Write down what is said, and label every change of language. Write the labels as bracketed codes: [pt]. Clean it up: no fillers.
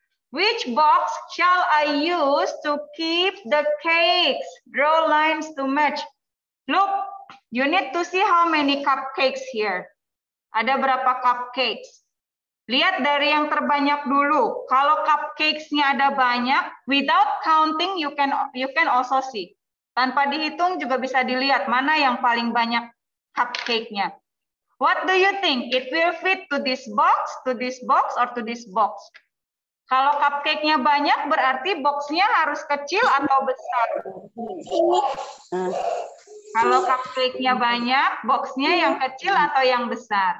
[en] Which box shall I use to keep the cakes? Draw lines to match. Look, you need to see how many cupcakes here. [id] Ada berapa cupcakes? Lihat dari yang terbanyak dulu. Kalau cupcakes-nya ada banyak, [en] without counting you can also see. [id] Tanpa dihitung juga bisa dilihat mana yang paling banyak cupcake-nya. [en] What do you think? It will fit to this box or to this box? [id] Kalau cupcake-nya banyak berarti box-nya harus kecil atau besar? Kalau cupcake-nya banyak, box-nya yang kecil atau yang besar?